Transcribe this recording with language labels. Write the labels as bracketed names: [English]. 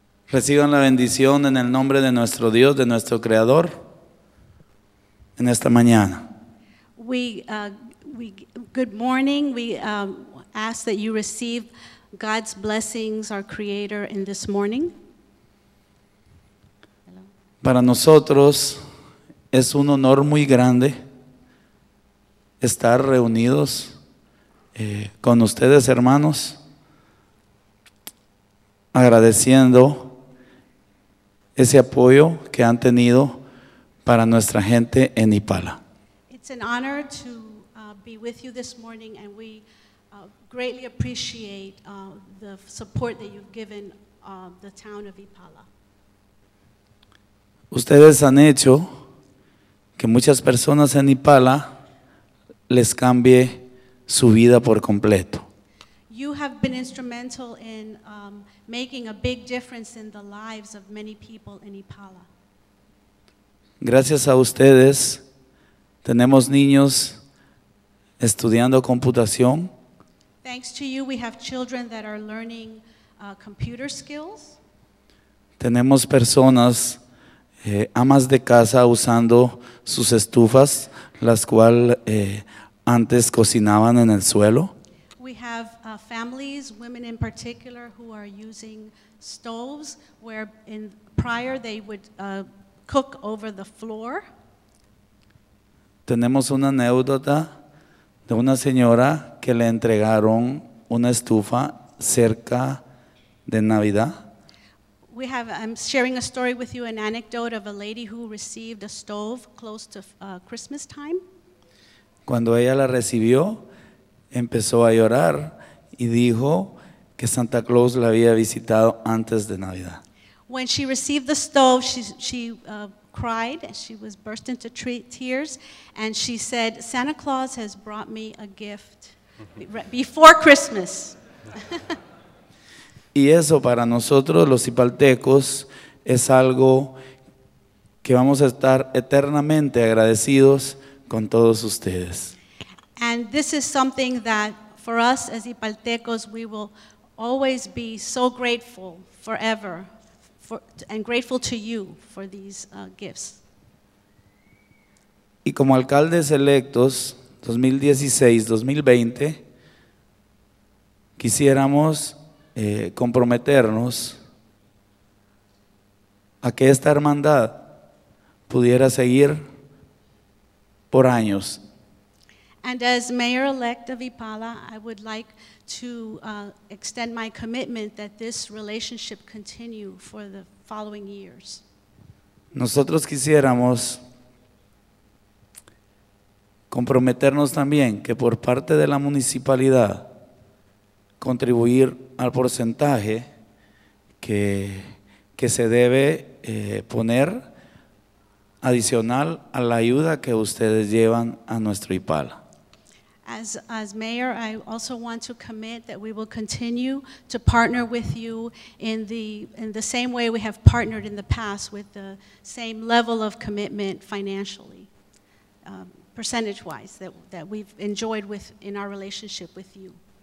[Spanish] Reciban la bendición en el nombre de nuestro Dios, de nuestro Creador, en esta mañana. [English] Good morning. Ask that you receive God's blessings, our Creator, in this morning. [Spanish] Para nosotros es un honor muy grande estar reunidos con ustedes, hermanos, agradeciendo ese apoyo que han tenido para nuestra gente en Ipala. [English] It's an honor to be with you this morning, and we greatly appreciate the support that you've given the town of Ipala. [Spanish] Ustedes han hecho que muchas personas en Ipala les cambie su vida por completo. [English] You have been instrumental in making a big difference in the lives of many people in Ipala. [Spanish] Gracias a ustedes, tenemos niños estudiando computación. [English] Thanks to you, we have children that are learning computer skills. [Spanish] Tenemos personas, amas de casa usando sus estufas, las cuales antes cocinaban en el suelo. [English] We have families, women in particular, who are using stoves where in prior they would cook over the floor. [Spanish] Tenemos una anécdota de una señora que le entregaron una estufa cerca de Navidad. [English] We have, I'm sharing a story with you, an anecdote of a lady who received a stove close to Christmas time. [Spanish] Cuando ella la recibió, empezó a llorar y dijo que Santa Claus la había visitado antes de Navidad. [English] When she received the stove, she cried, she was burst into tears, and she said, Santa Claus has brought me a gift before Christmas. [Spanish] Y eso para nosotros los ipaltecos es algo que vamos a estar eternamente agradecidos con todos ustedes. [English] And this is something that for us as ipaltecos we will always be so grateful forever. And grateful to you for these gifts. [Spanish] Y como alcaldes electos 2016-2020, quisiéramos comprometernos a que esta hermandad pudiera seguir por años. [English] And as mayor-elect of Ipala, I would like to extend my commitment that this relationship continue for the following years. [Spanish] Nosotros quisiéramos comprometernos también que por parte de la municipalidad contribuir al porcentaje que se debe poner adicional a la ayuda que ustedes llevan a nuestro Ipala. [English] As mayor, I also want to commit that we will continue to partner with you in the same way we have partnered in the past, with the same level of commitment financially, percentage-wise, that we've enjoyed in our relationship with you.